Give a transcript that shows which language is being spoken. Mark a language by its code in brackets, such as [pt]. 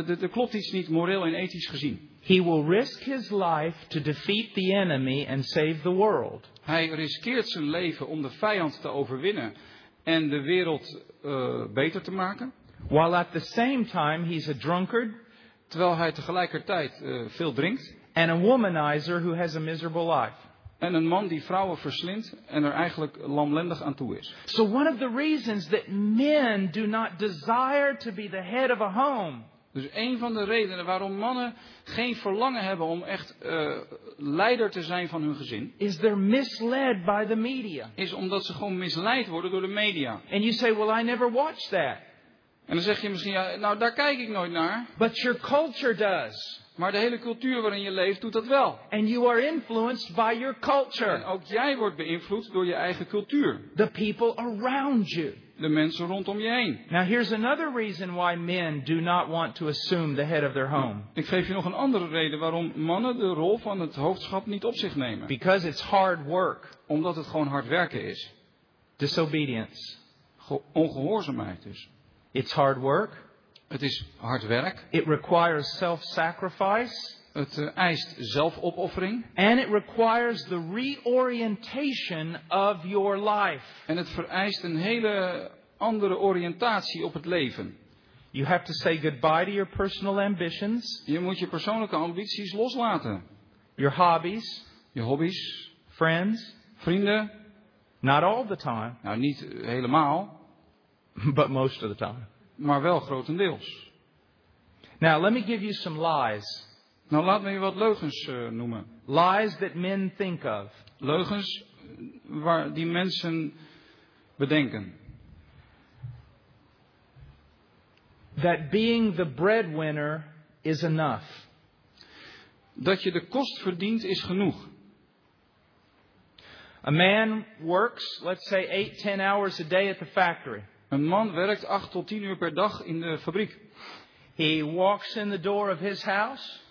[nl] Er klopt iets niet moreel en ethisch gezien. [en] He will risk his life to defeat the enemy and save the world. [nl] Hij riskeert zijn leven om de vijand te overwinnen en de wereld beter te maken. [en] While at the same time he's a drunkard. [nl] Terwijl hij tegelijkertijd veel drinkt. [en] And a womanizer who has a miserable life. [nl] En een man die vrouwen verslindt en er eigenlijk lamlendig aan toe is. [en] So one of the reasons that men do not desire to be the head of a home. [nl] Dus een van de redenen waarom mannen geen verlangen hebben om echt leider te zijn van hun gezin. [en] Is they're misled by the media. [nl] Is omdat ze gewoon misleid worden door de media. [en] And you say, well, I never watched that. [nl] En dan zeg je misschien, ja, nou daar kijk ik nooit naar. [en] But your culture does. [nl] Maar de hele cultuur waarin je leeft doet dat wel. [en] And you are influenced by your culture. [nl] En ook jij wordt beïnvloed door je eigen cultuur. [en] The people around you. [nl] De mensen rondom je heen. [en] Now here's another reason why men do not want to assume the head of their home. [nl] Ik geef je nog een andere reden waarom mannen de rol van het hoofdschap niet op zich nemen. [en] Because it's hard work. [nl] Omdat het gewoon hard werken is. [en] Disobedience. [nl] Ongehoorzaamheid dus. [en] It's hard work. [nl] Het is hard werk. [en] It requires self-sacrifice. [nl] Het eist zelfopoffering. [en] And it requires the reorientation of your life. [nl] En het vereist een hele andere oriëntatie op het leven. [en] You have to say goodbye to your personal ambitions. [nl] Je moet je persoonlijke ambities loslaten. [en] Your hobbies. [nl] Je hobby's. [en] Friends. [nl] Vrienden. [en] Not all the time. [nl] Nou, niet helemaal. [en] But most of the time. [nl] Maar wel grotendeels. [en] Now let me give you some lies. [nl] Nou laat me je wat leugens noemen. [en] Lies that men think of. [nl] Leugens waar die mensen bedenken. [en] That being the breadwinner is enough. [nl] Dat je de kost verdient is genoeg. [en] A man works, let's say 8-10 hours a day at the factory. [nl] Een man werkt 8 tot 10 uur per dag in de fabriek. [en] He walks in the door of his house.